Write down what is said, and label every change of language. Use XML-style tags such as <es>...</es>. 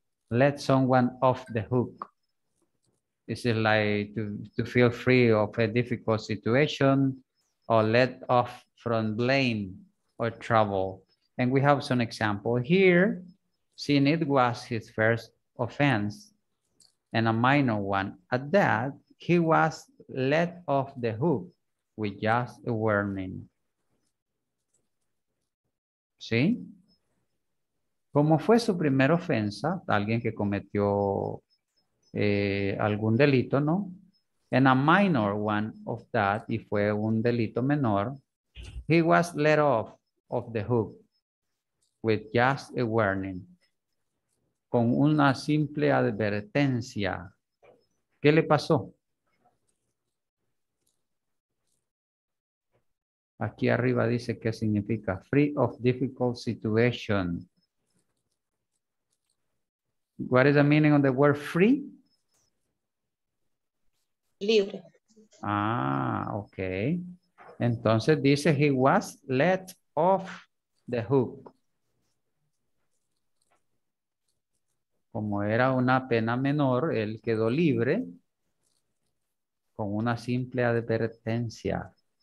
<en>Let someone off the hook. This is like to feel free of a difficult situation or let off from blame or trouble. And we have some example here. Since it was his first offense and a minor one at that, he was let off the hook with just a warning.</en> <es>¿Sí? Como fue su primera ofensa, alguien que cometió algún delito, ¿no?</es> <en>And a minor one of that,</en> <es>y fue un delito menor,</es> <en>he was let off of the hook with just a warning.</en> <es>Con una simple advertencia. ¿Qué le pasó? Aquí arriba dice qué significa.</es> <en>Free of difficult situation. What is the meaning of the word free?</en> <es>Libre.</es> <en>Ah, okay.</en> <es>Entonces dice</es> <en>he was let off the hook.</en> <es>Como era una pena menor, él quedó libre con una simple advertencia.</es>